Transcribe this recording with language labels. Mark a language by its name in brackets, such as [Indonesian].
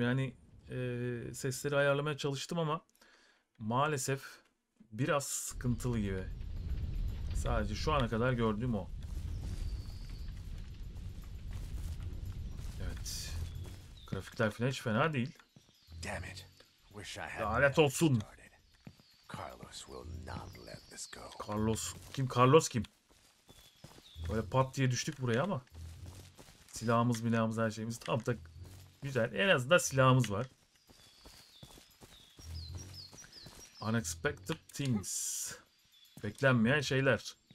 [Turkish] Yani sesleri ayarlamaya çalıştım ama maalesef biraz sıkıntılı gibi. Sadece şu ana kadar gördüğüm o. Grafikler falan hiç fena değil. [English] Damn it. Wish I hadn't [Turkish] Lanet [English] really [Turkish] olsun. [English] started. Carlos will not let this go. [Turkish] Carlos. Kim Carlos kim? Böyle pat diye düştük buraya ama. Silahımız, milahımız, her şeyimiz tam da güzel. En azından silahımız var. [English] Unexpected things. [Turkish] Beklenmeyen şeyler.